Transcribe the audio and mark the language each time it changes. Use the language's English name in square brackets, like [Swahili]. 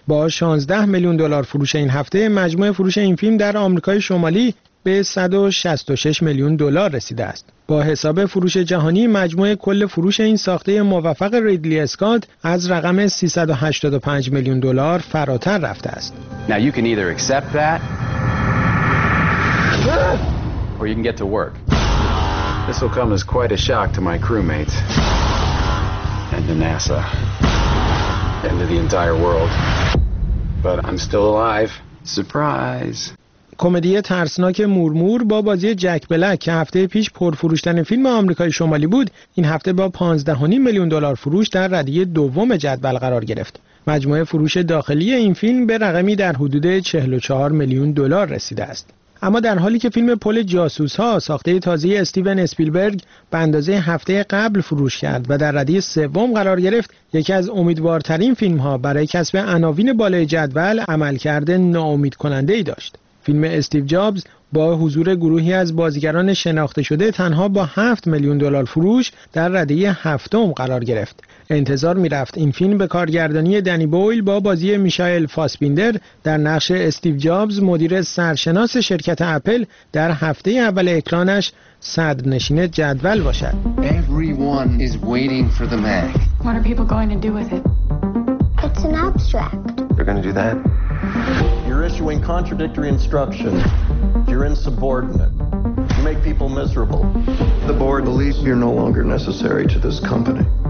[Persian] با 16 میلیون دلار فروش این هفته، مجموع فروش این فیلم در آمریکای شمالی به 166 میلیون دلار رسیده است. با حساب فروش جهانی، مجموع کل فروش این ساخته موفق ریدلی اسکات از رقم 385 میلیون دلار فراتر رفته است. [English] Now you can either accept that or you can get to work. This will come as quite a shock to my crewmates and to NASA and to the entire world. But I'm still alive. Surprise. [Persian] کمدی ترسناک مورمور با بازی جک بلک که هفته پیش پرفروش‌ترین فیلم آمریکای شمالی بود، این هفته با 15.5 میلیون دلار فروش در ردیه دوم جدول قرار گرفت. مجموع فروش داخلی این فیلم به رقمی در حدود 44 میلیون دلار رسیده است. اما در حالی که فیلم پل جاسوس ها ساخته تازه استیون اسپیلبرگ به اندازه هفته قبل فروش کرد و در ردیه سوم قرار گرفت، یکی از امیدوارترین فیلم ها برای کسب عناوین بالای جدول عملکرد ناامید کننده ای داشت. فیلم استیو جابز با حضور گروهی از بازیگران شناخته شده تنها با 7 میلیون دلار فروش در ردیه هفتم قرار گرفت. انتظار می رفت این فیلم به کارگردانی دنی بویل با بازی میشایل فاسبیندر در نقش استیو جابز مدیر سرشناس شرکت اپل در هفته اول اکرانش صدر نشین جدول باشد. [English] Everyone is waiting for the Mac. What are people going to do with it? It's an abstract. You're going to do that? You're issuing contradictory instructions. You're insubordinate. You make people miserable. The board believes you're no longer necessary to this company.